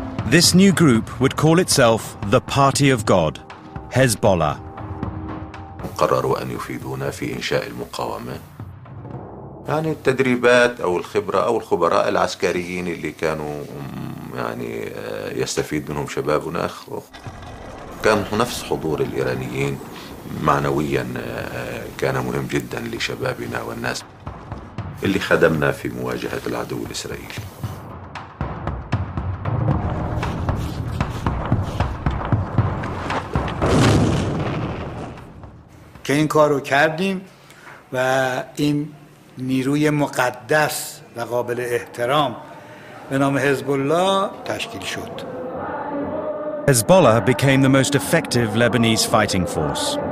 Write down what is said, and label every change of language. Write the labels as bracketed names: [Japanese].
[English] This new group would call itself the Party of God, Hezbollah. [Arabic] قرروا أن يفيدونا في إنشاء المقاومة يعني التدريبات أو الخبرة أو الخبراء العسكريين اللي كانوا يعني يستفيد منهم شبابنا كان نفس حضور الإيرانيين معنويا كان مهم جدا لشبابنا والناس اللي خدمنا في مواجهة العدو الإسرائيلي. [Persian] که این کار رو کردیم و این نیروی مقدس و قابل احترام به نام حزب الله تشکیل شد. [English] Hezbollah became the most effective Lebanese fighting force.